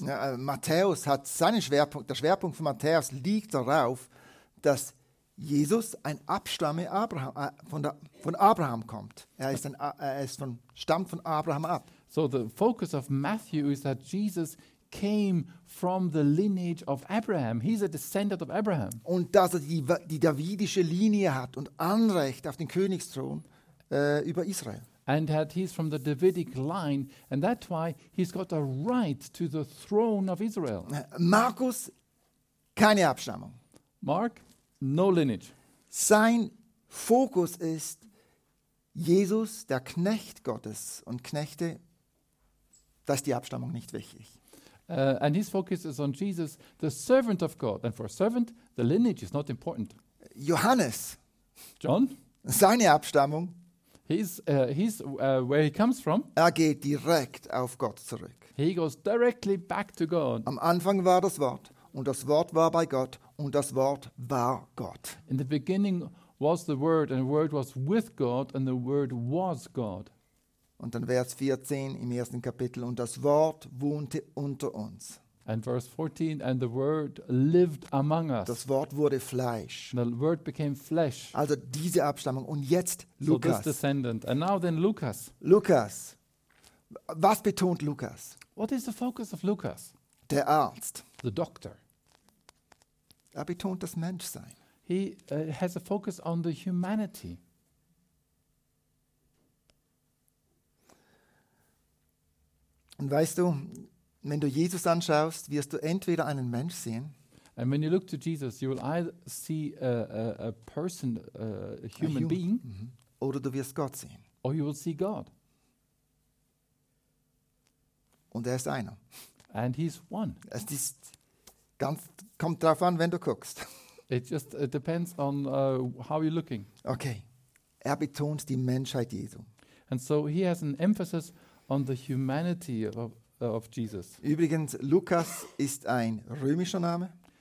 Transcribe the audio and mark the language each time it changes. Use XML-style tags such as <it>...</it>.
<de>Matthäus hat seinen Schwerpunkt. Der Schwerpunkt von Matthäus liegt darauf, dass Jesus ein Abstamme Abraham von Abraham kommt. Er stammt von Abraham ab.</de> <en>So the focus of Matthew is that Jesus came from the lineage of Abraham. He's a descendant of Abraham.</en> <de>Und dass er die davidische Linie hat und Anrecht auf den Königsthron über Israel.</de> <en>And that he's from the Davidic line, and that's why he's got a right to the throne of Israel.</en> <de>Markus, keine Abstammung.</de> <en>Mark, no lineage.</en> <de>Sein Fokus ist Jesus, der Knecht Gottes, und Knechte, das ist die Abstammung nicht wichtig.</de> <en>And his focus is on Jesus, the servant of God. And for a servant, the lineage is not important.</en> <de>Johannes.</de> <en>John.</en> <de>Seine Abstammung.</de> <en>He's where he comes from.</en> <de>Er geht direkt auf Gott zurück.</de> <en>He goes directly back to God.</en> <de>Am Anfang war das Wort, und das Wort war bei Gott, und das Wort war Gott.</de> <en>In the beginning was the Word, and the Word was with God, and the Word was God.</en> <de>Und dann Vers 14 im ersten Kapitel, und das Wort wohnte unter uns.</de> <en>And verse 14, and the Word lived among us.</en> <de>Das Wort wurde Fleisch.</de> <en>The Word became flesh.</en> <de>Also diese Abstammung. Und jetzt Lukas.</de> <en>So this descendant. And now then Lukas.</en> <de>Lukas. Was betont Lukas?</de> <en>What is the focus of Lukas?</en> <de>Der Arzt.</de> <en>The doctor.</en> <de>Er betont das Menschsein.</de> <en>He has a focus on the humanity.</en> <de>Und weißt du, wenn du Jesus anschaust, wirst du entweder einen Mensch sehen.</de> <en>And when you look to Jesus, you will either see a person, a human being. Mm-hmm.</en> <de>Oder du wirst Gott sehen.</de> <en>Or you will see God.</en> <de>Und er ist einer.</de> <en>And he's one.</en> <de>Es ist ganz, kommt drauf an, wenn du guckst.</de> <en>It depends on how you're looking. Okay.</en> <de>Er betont die Menschheit Jesu.</de> <en>And so he has an emphasis on the humanity of Jesus.</en> <de>Übrigens, Lukas ist ein römischer Name.</de>